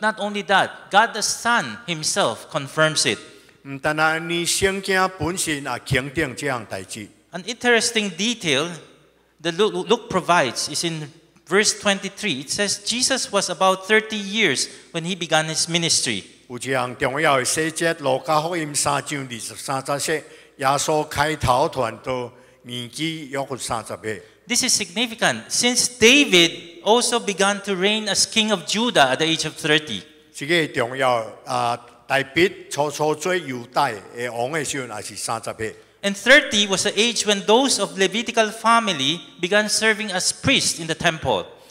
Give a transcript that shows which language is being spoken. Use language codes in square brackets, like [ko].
[en] not only that, God the Son Himself confirms it. [nan] 唔单单你圣经本身也肯定这样代志。 [en] An interesting detail that Luke provides is in verse 23. It says Jesus was about 30 years when he began his ministry. [nan] 有一项重要的细节，路加福音三章二十三节说，耶稣开头传道。 [en] This is significant since David also began to reign as king of Judah at the age of 30. And 30 was the age when those of Levitical family began serving as priests in the temple.